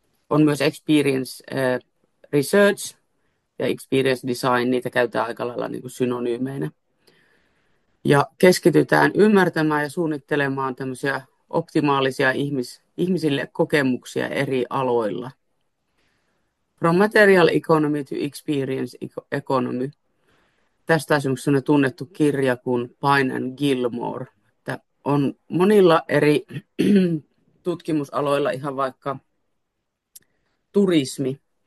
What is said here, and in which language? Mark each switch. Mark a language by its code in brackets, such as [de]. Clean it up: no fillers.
[fi] On myös experience research ja experience design, niitä käytetään aika lailla niin kuin synonyymeinä. Ja keskitytään ymmärtämään ja suunnittelemaan tämmöisiä optimaalisia ihmisille kokemuksia eri aloilla. [en] From material economy to experience economy. [fi] Tästä on semmoinen tunnettu kirja kuin Pine and Gilmore. Että on monilla eri tutkimusaloilla ihan vaikka turismi.